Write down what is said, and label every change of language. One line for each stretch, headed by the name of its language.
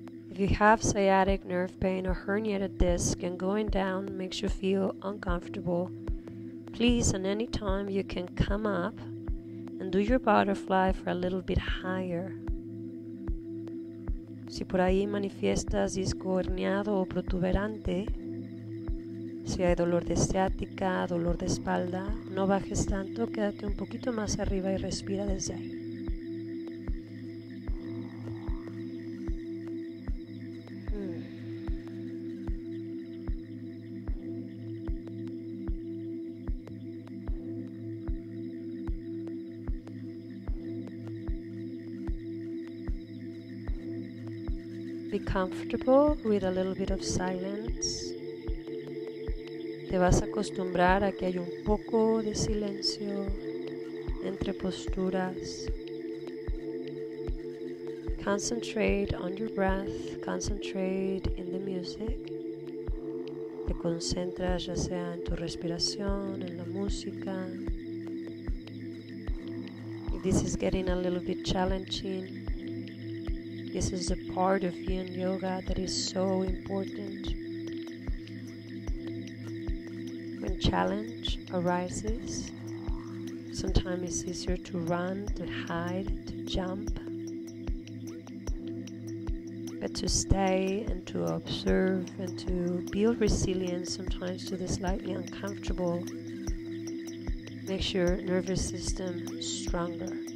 English: If you have sciatic nerve pain or herniated disc and going down makes you feel uncomfortable, please, at any time, you can come up and do your butterfly for a little bit higher.
Spanish: Si por ahí manifiestas disco herniado o protuberante, si hay dolor de ciática, dolor de espalda, no bajes tanto, quédate un poquito más arriba y respira desde ahí.
English: Comfortable with a little bit of silence.
Spanish: Te vas a acostumbrar a que hay un poco de silencio entre posturas.
English: Concentrate on your breath, concentrate in the music.
Spanish: Te concentras ya sea en tu respiración, en la música.
English: If this is getting a little bit challenging, this is a part of Yin Yoga that is so important. When challenge arises, sometimes it's easier to run, to hide, to jump, but to stay and to observe and to build resilience sometimes to the slightly uncomfortable makes your nervous system stronger.